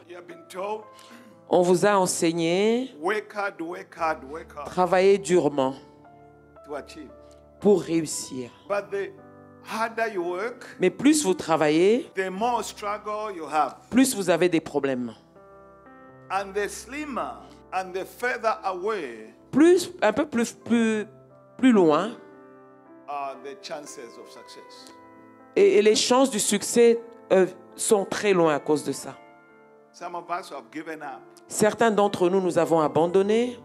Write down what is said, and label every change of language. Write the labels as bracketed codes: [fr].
[en] You have been told. [fr] On vous a enseigné [en] work hard. [fr] Travailler durement pour réussir. [en] But the harder you work, [fr] mais plus vous travaillez, [en] the more struggle you have. [fr] Plus vous avez des problèmes. [en] And the slimmer and the further away, [fr] plus, un peu plus loin [en] are the chances of success. [fr] Et les chances du succès sont très loin à cause de ça. [en] Some of us have given up. [fr] Certains d'entre nous, nous avons abandonné.